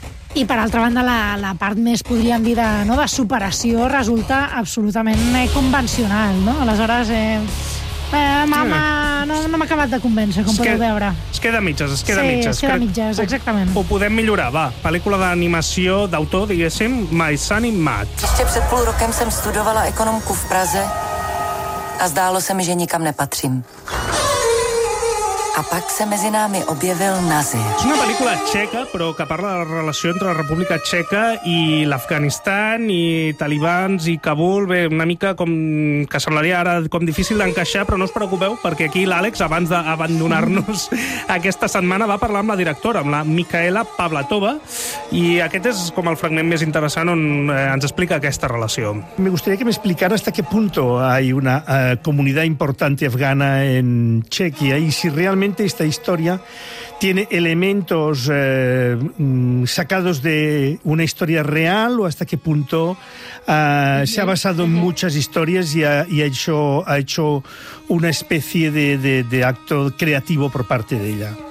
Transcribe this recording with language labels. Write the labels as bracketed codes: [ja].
[ca] I, per altra banda, la part més, podríem dir, de superació resulta absolutament convencional, no? Aleshores, mama, no m'ha acabat de convèncer, com podeu veure. Es queda a mitges, exactament. Ho podem millorar, va. Pel·lícula d'animació d'autor, diguéssim, My Son in Math. [cs] Ještě před půl rokem jsem studovala ekonomku v Praze a zdálo se mi, že nikam nepatřím. A pak se mezi námi objevil Nazir. [ca] És una pel·lícula txeca, però que parla de la relació entre la República Txeca i l'Afganistan, i talibans, i Kabul. Bé, una mica com que semblaria ara com difícil d'encaixar, però no us preocupeu, perquè aquí l'Àlex, abans d'abandonar-nos aquesta setmana, va parlar amb la directora, amb la Micaela Pavlatova, i aquest és com el fragment més interessant on ens explica aquesta relació. [es] Me gustaría que me explicara hasta qué punto hay una comunidad importante afgana en Txequia, y si realmente precisamente esta historia tiene elementos sacados de una historia real o hasta qué punto se ha basado en muchas historias y ha hecho una especie de acto creativo por parte de ella.